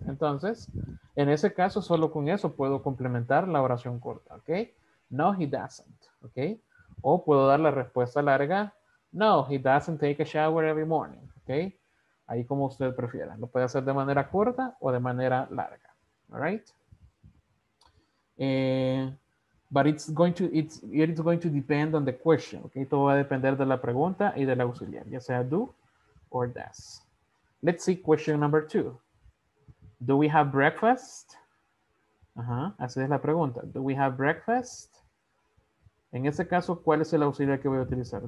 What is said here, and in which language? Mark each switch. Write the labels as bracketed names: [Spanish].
[Spanish] Entonces, en ese caso, solo con eso puedo complementar la oración corta. ¿Ok? [English] No, he doesn't. [Spanish] ¿Ok? O puedo dar la respuesta larga. [English] No, he doesn't take a shower every morning. ¿Ok? [Spanish] Ahí como usted prefiera. Lo puede hacer de manera corta o de manera larga. [English] All right? But it's going to depend on the question. ¿Ok? [Spanish] Todo va a depender de la pregunta y del auxiliar. Ya sea [English] do or does. Let's see question number two. Do we have breakfast? Uh-huh. [Spanish] Así es la pregunta. [English] Do we have breakfast? [Spanish] En este caso, ¿cuál es el auxiliar que voy a utilizar?